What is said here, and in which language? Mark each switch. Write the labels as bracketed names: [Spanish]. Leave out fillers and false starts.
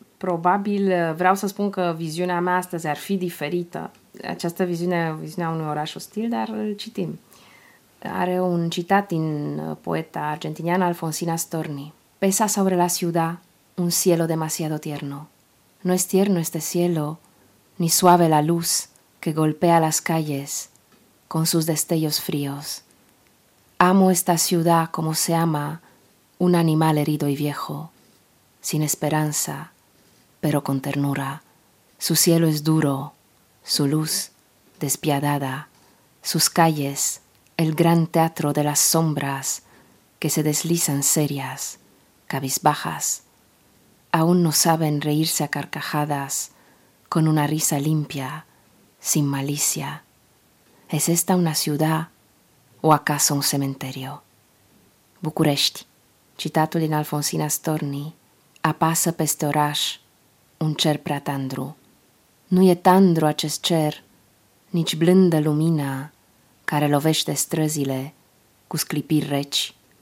[Romanian] Probabil vreau să spun că viziunea mea astăzi ar fi diferită. Această viziune, viziunea unui oraș ostil, dar îl citim. Are un citat din poeta argentiniană Alfonsina Storni. [Spanish] Pesa sobre la ciudad un cielo demasiado tierno. No es tierno este cielo, ni suave la luz que golpea las calles con sus destellos fríos. Amo esta ciudad como se ama un animal herido y viejo, sin esperanza, pero con ternura. Su cielo es duro, su luz despiadada, sus calles el gran teatro de las sombras que se deslizan serias, cabizbajas. Aún no saben reírse a carcajadas con una risa limpia, sin malicia. ¿Es esta una ciudad o acaso un cementerio? [Romanian] București, citatul din Alfonsina Storni, apasă peste oraș un cer prea tandru. Nu e tandru acest cer, nici blândă lumina care lovește străzile cu sclipiri reci.